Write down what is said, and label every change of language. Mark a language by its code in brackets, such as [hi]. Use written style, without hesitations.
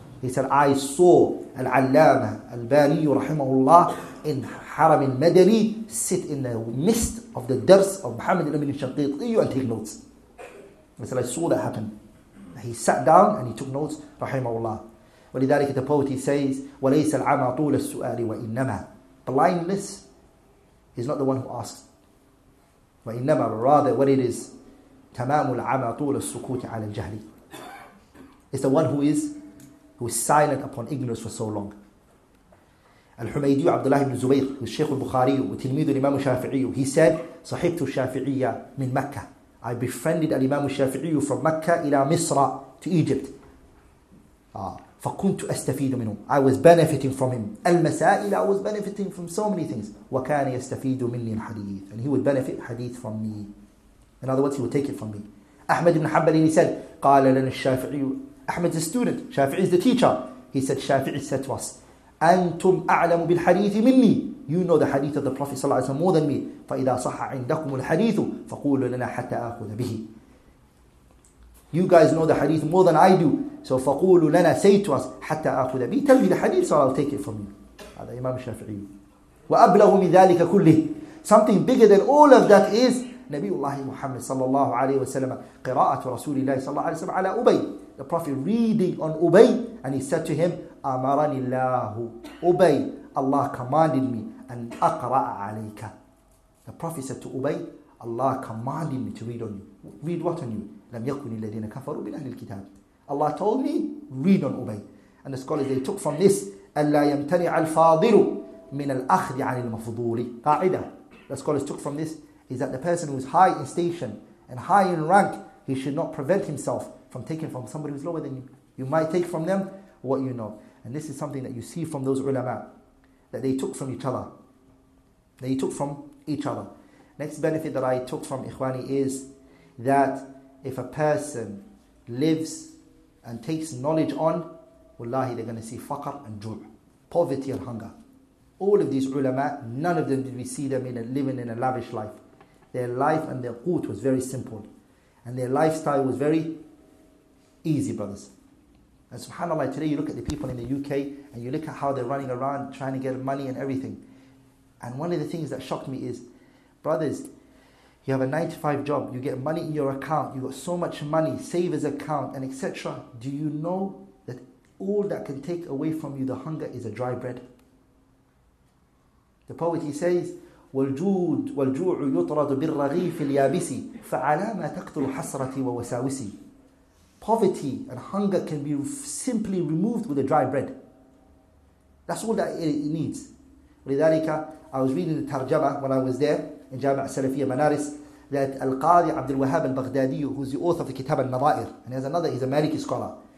[en] He said, I saw العلامة الباني رحمه الله in حرم المدني sit in the midst of the درس of Muhammad Amin Shaqirti and take notes. He said, I saw that happen. He sat down and he took notes, رحمه الله. ولذلك the poet he says, [ar] وليس العمى طول السؤال وإنما. [en] Blindness is not the one who asks. [ar] وإنما [en] rather what it is [ar] تمام العمى طول السكوت على الجهل. [en] It's the one who is silent upon ignorance for so long. [ar] الحميدي عبد الله بن زبير الشيخ البخاري وتلميذ الإمام الشافعي, he said صحبت الشافعية من مكة. [en] I befriended الإمام الشافعي from مكة إلى مصر to Egypt. [ar] فكنت أستفيد منه. [en] I was benefiting from him. المسائل I was benefiting from so many things. [ar] وكان يستفيد مني الحديث. [en] And he would benefit hadith from me. In other words, he would take it from me. [ar] أحمد بن حنبل, he said, قال لنا الشافعي. [en] Ahmed's a student. Shafi'i is the teacher. He said, Shafi'i said to us, [ar] أنتم أعلم بالحديث مني. [en] You know the hadith of the Prophet صلى الله عليه وسلم more than me. [ar] فإذا صح عندكم الحديث فقولوا لنا حتى أخذ به. [en] You guys know the hadith more than I do. So [ar] فَقُولُوا لَنَا, [en] say to us, [ar] حَتَّى أَخُذَ بِي, [en] tell me the hadith, so I'll take it from you. [ar] هذا إمام الشافعي. وَأَبْلَغُ مِنْ ذَلِكَ كُلِّهِ. [en] Something bigger than all of that is [ar] نبي الله محمد صلى الله عليه وسلم قراءة رسول الله صلى الله عليه وسلم على أبي. [en] The Prophet reading on Ubay, and he said to him, [ar] أَمَرَنِ اللَّهُ أُبَي, [en] Allah commanded me [ar] أَنْ أَقْرَأَ عَلَيْكَ. [en] The Prophet said to Ubay, Allah commanded me to read on you. Read what on you? [ar] لَمْ يَكُنِ الَّذِينَ كَفَرُوا بِأَهْلِ الْكِتَابِ. [en] Allah told me, read on Ubay. And the scholars, they took from this, [ar] أَلَّا يَمْتَنِعَ الْفَاضِلُ مِنَ الْأَخْذِ عَنِ الْمَفْضُولِ قَاعِدَة. [en] The scholars took from this, is that the person who is high in station and high in rank, he should not prevent himself from taking from somebody who is lower than you. You might take from them what you know. And this is something that you see from those ulama, that they took from each other. They took from each other. Next benefit that I took from Ikhwani is that if a person lives and takes knowledge on, wallahi, they're going to see faqr and ju', poverty and hunger. All of these ulama, none of them did we see them living in a lavish life. Their life and their qut was very simple. And their lifestyle was very easy, brothers. And subhanAllah, today you look at the people in the UK and you look at how they're running around trying to get money and everything. And one of the things that shocked me is, brothers, you have a 9-to-5 job, you get money in your account, you got so much money, savers account, and etc. Do you know that all that can take away from you the hunger is a dry bread? The poet, he says, [ar] وَالْجُوعُ يُطْرَدُ بِالرَّغِيفِ الْيَابِسِ فَعَلَى مَا تَقْتُلُ حَسْرَتِي وَوَسَاوِسِي. [en] Poverty and hunger can be simply removed with a dry bread. That's all that it needs. لذلك, I was reading the tarjama when I was there in Jama'a Salafiyya Manaris, that Al-Qadi Abdul Wahhab Al-Baghdadi, who's the author of the Kitab Al-Nadair, and he has another, he's a Maliki scholar.